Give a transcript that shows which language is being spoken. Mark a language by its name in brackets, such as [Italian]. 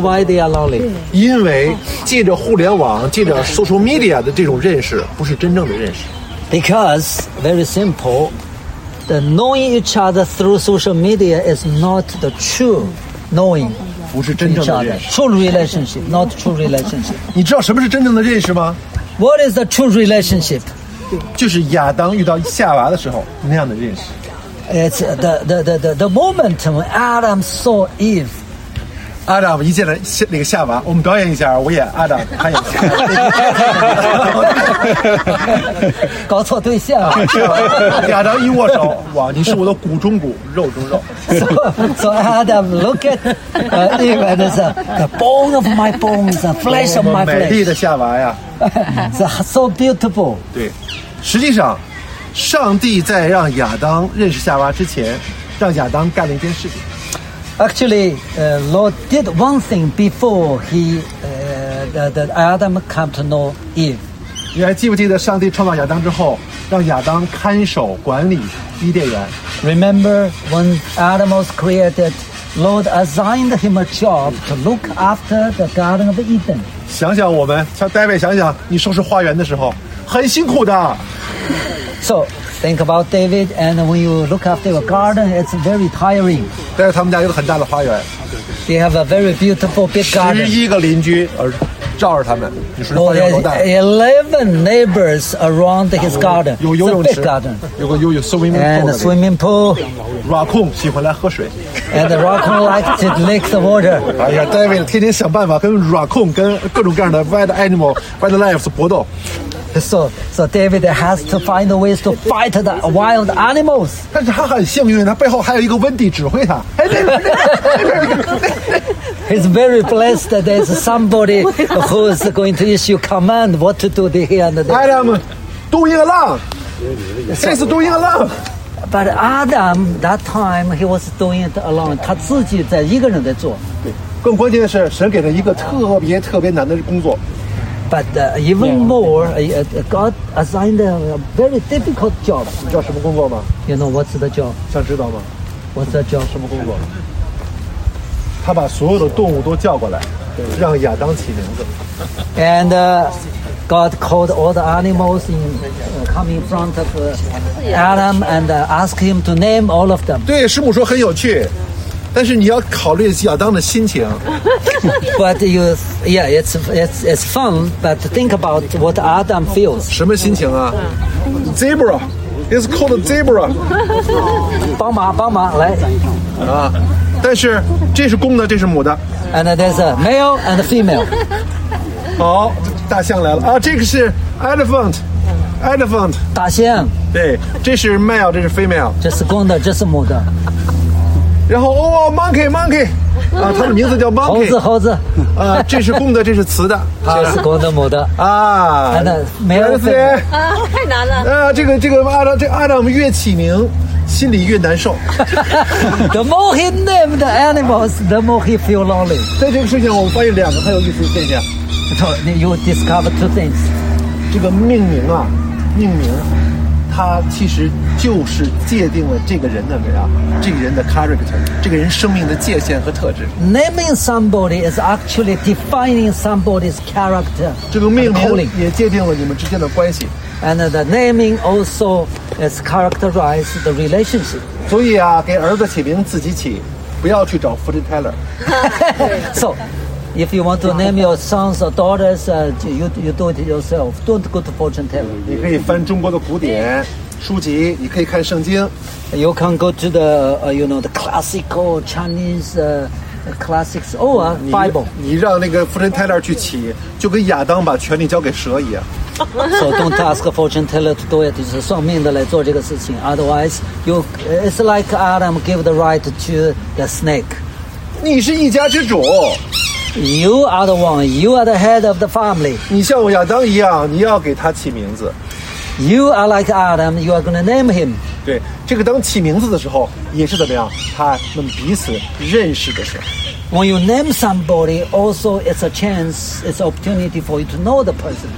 [English] Why they are lonely? [Chinese] 因为借着互联网，借着 social media 的这种认识，不是真正的认识。 [English] Because, very simple, the knowing each other through social media is not the true knowing. [Chinese] 不是真正的认识 [English] true relationship, not true relationship. [Chinese] 你知道什么是真正的认识吗？ [English] What is the true relationship? [Chinese] 就是亚当遇到夏娃的时候那样的认识。 [English] It's the moment when Adam saw Eve. [Chinese] 阿达一见了那个夏娃，我们表演一下，我演阿达，他演搞错对象了。亚当一握手，哇，你是我的骨中骨，肉中肉。 [English] So Adam, look at even as the bone of my bones, the flesh of my flesh。 [Chinese] 美丽的夏娃呀 [English] ，so beautiful。 [Chinese] 对，实际上，上帝在让亚当认识夏娃之前，让亚当干了一件事情。 [English] Actually, Lord did one thing before Adam came to know Eve. [Chinese] 你还记不记得上帝创造亚当之后，让亚当看守管理伊甸园 [English] ？Remember when Adam was created, Lord assigned him a job to look after the Garden of Eden. [Chinese] 想想我们，像 David 想想你收拾花园的时候，很辛苦的。 [English] So. Think about David, and when you look after your garden, it's very tiring. [Chinese] 但是他们家有很大的花园。 [English] They have a very beautiful big garden. [Chinese] 十一个邻居而罩着他们。 [English] Lord has 11 neighbors around his garden. [Chinese] 有游泳池。 [English] Big garden. [Chinese] 有个游泳 [English] swimming pool. And swimming pool. [Chinese] Raccoon 喜欢来喝水。 [English] And raccoon likes to lick the water. [Chinese] 哎呀 ，David 天天想办法跟 raccoon 跟各种各样的 [English] wild animal, wildlife [Chinese] 搏斗。 [English] So David has to find ways to fight the wild animals. [Chinese] 但是他很幸运，他背后还有一个温蒂指挥他。 [English] He's very blessed that there's somebody who's going to issue command what to do here and there. Adam, doing a lot. He's doing a lot. But Adam, that time he was doing it alone. [Chinese] 他自己在一个人在做。更关键的是，神给了一个特别特别难的工作。 [English] But even more, God assigned a very difficult job. [Chinese] 你知道什么工作吗 [English] ？You know what's the job? [Chinese] 想知道吗 [English] ？What's the job? [Chinese] 什么工作？他把所有的动物都叫过来，让亚当起名字。 [English] And God called all the animals in come in front of Adam and asked him to name all of them. [Chinese] 对，师母说很有趣。但是你要考虑亚当的心情。 [English] But you, yeah, it's fun. But think about what Adam feels. [Chinese] 什么心情啊 [English] ？Zebra, it's called zebra. [Chinese] 帮忙，帮忙，来。啊，但是这是公的，这是母的。 [English] And there's a male and a female. [Chinese] 好，大象来了啊！这个是 elephant, elephant. 大象。对，这是 male, 这是 female. 这是公的，这是母的。然后哦 ，monkey， 啊，它的名字叫 monkey，猴子，猴子，啊，这是公的，这是雌的，这是公的，母的，啊，没有太难了，啊，这个阿达姆越起名，心里越难受。 [English] The more he named the animals, the more he feel lonely。 [Chinese] 在这个事情，我发现两个很有意思的现象。 [English] So you discover two things。 [Chinese] 这个命名啊，命名。他其实就是界定了这个人的怎么样，这个人的 character， 这个人生命的界限和特质。 [English] Naming somebody is actually defining somebody's character。 [Chinese] 这个命名也界定了你们之间的关系。 [English] And the naming also is characterize the relationship。 [Chinese] 所以啊，给儿子起名自己起，不要去找 fortune teller。 [English] So, if you want to name your sons or daughters, you do it yourself. Don't go to fortune teller. [Chinese] 你可以翻中国的古典书籍，你可以看圣经。 [English] You can go to the the classical Chinese classics or Bible. [Chinese] 你让那个 fortune teller 去起，就跟亚当把权力交给蛇一样。 [English] So don't ask a fortune teller to do it. [Chinese] 就是算命的来做这个事情。 [English] Otherwise, it's like Adam gave the right to the snake. [Chinese] 你是一家之主。 [English] You are the one. You are the head of the family. [Chinese] 你像我亚当一样，你要给他起名字。 [English] You are like Adam. You are going to name him. [Chinese] 对，这个当起名字的时候也是怎么样？他们彼此认识的时候。 [English] When you name somebody, also it's a chance, it's an opportunity for you to know the person.